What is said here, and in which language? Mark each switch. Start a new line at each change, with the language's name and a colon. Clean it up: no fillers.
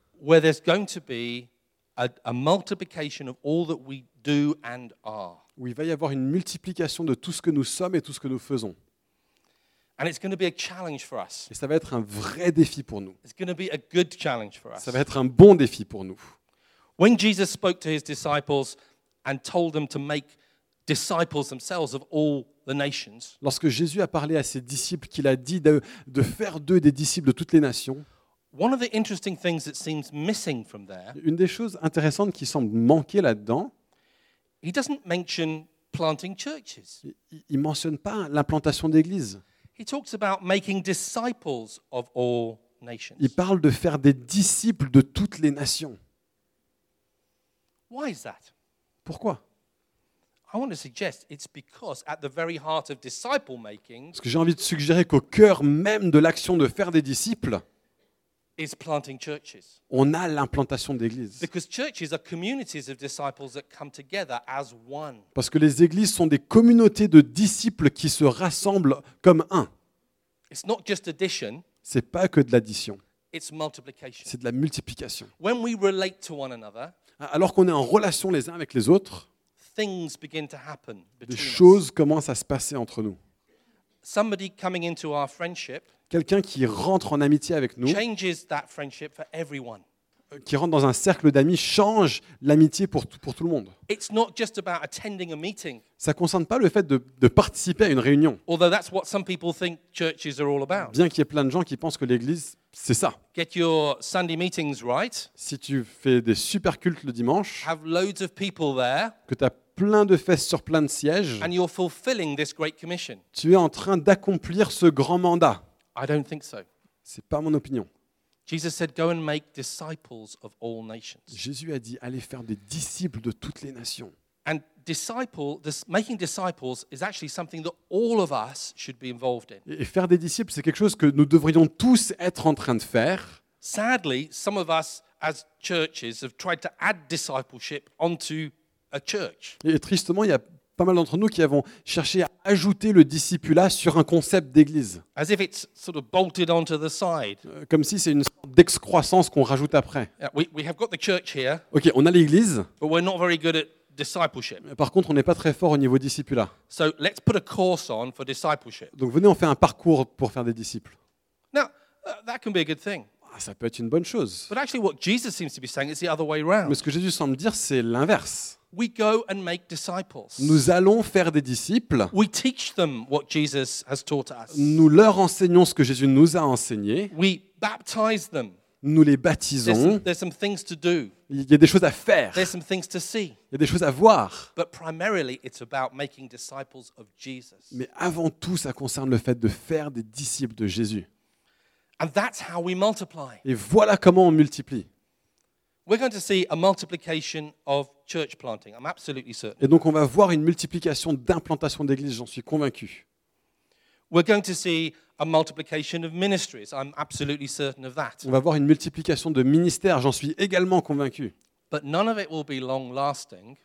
English: where there's going to be a multiplication of all that we do and are.
French: Où il va y avoir une multiplication de tout ce que nous sommes et tout ce que nous faisons.
English: And it's going to be a challenge for us.
French: Et ça va être un vrai défi pour nous.
English: It's going to be a good challenge for us.
French: Ça va être un bon défi pour nous.
English: When Jesus spoke to his disciples and told them to make disciples themselves of all the nations.
French: Lorsque Jésus a parlé à ses disciples, qu'il a dit de faire d'eux des disciples de toutes les nations.
English: One of the interesting things that seems missing from there.
French: Une des choses intéressantes qui semble manquer là-dedans.
English: He doesn't mention planting churches.
French: Il mentionne pas l'implantation d'églises.
English: He talks about making disciples of all nations.
French: Il parle de faire des disciples de toutes les nations.
English: Why is that?
French: Pourquoi?
English: I want to suggest it's because at the very heart of disciple making.
French: Parce que j'ai envie de suggérer qu'au cœur même de l'action de faire des disciples,
English: is planting churches.
French: On a l'implantation d'églises.
English: Because churches are communities of disciples that come together as one.
French: Parce que les églises sont des communautés de disciples qui se rassemblent comme un.
English: It's not just addition.
French: C'est pas que de l'addition.
English: It's multiplication.
French: C'est de la multiplication.
English: When we relate to one another.
French: Alors qu'on est en relation les uns avec les autres,
English: things begin to happen between
French: des choses
English: us.
French: Commencent à se passer entre nous.
English: Somebody coming into our friendship,
French: quelqu'un qui rentre en amitié avec nous,
English: changes that friendship for everyone.
French: Qui rentre dans un cercle d'amis, change l'amitié pour tout le monde.
English: It's not just about attending a meeting.
French: Ça ne concerne pas le fait de participer à une réunion.
English: Although that's what some people think churches are all about.
French: Bien qu'il y ait plein de gens qui pensent que l'église, c'est ça.
English: Get your Sunday meetings right.
French: Si tu fais des super cultes le dimanche,
English: have loads of people there,
French: que tu as plein de fesses sur plein de sièges,
English: and you're fulfilling this great commission.
French: Tu es en train d'accomplir ce grand mandat.
English: I don't think so.
French: C'est pas mon opinion.
English: Jesus said, "Go and make disciples of all nations."
French: Jésus a dit, allez faire des disciples de toutes les nations.
English: And disciple, this making disciples is actually something that all of us should be involved in.
French: Et faire des disciples, c'est quelque chose que nous devrions tous être en train de faire.
English: Sadly, some of us as churches have tried to add discipleship onto a church.
French: Et tristement, il y a pas mal d'entre nous qui avons cherché à ajouter le discipulat sur un concept d'église.
English: As if it's sort of bolted onto the side.
French: Comme si c'est une sorte d'excroissance qu'on rajoute après.
English: Yeah, we have got the church here,
French: ok, on a l'église.
English: But we're not very good at discipleship.
French: Par contre, on n'est pas très fort au niveau discipulat.
English: So let's put a course on for discipleship.
French: Donc venez, on fait un parcours pour faire des disciples.
English: Now, that can be a good thing.
French: Ça peut être une bonne chose.
English: But actually, what Jesus seems to be saying is the other way around.
French: Mais ce que Jésus semble dire, c'est l'inverse.
English: We go and make disciples.
French: Nous allons faire des disciples.
English: We teach them what Jesus has taught us.
French: Nous leur enseignons ce que Jésus nous a enseigné.
English: We baptize them.
French: Nous les baptisons.
English: There's some things to do.
French: Il y a des choses à faire.
English: There's some things to see.
French: Il y a des choses à voir.
English: But primarily, it's about making disciples of Jesus.
French: Mais avant tout, ça concerne le fait de faire des disciples de Jésus.
English: And that's how we multiply.
French: Et voilà comment on multiplie.
English: We're going to see a multiplication of church planting. I'm absolutely certain.
French: Et donc on va voir une multiplication d'implantation d'églises, j'en suis convaincu.
English: We're going to see a multiplication of ministries. I'm absolutely certain of that.
French: On va voir une multiplication de ministères, j'en suis également convaincu.
English: But none of it will be long-lasting.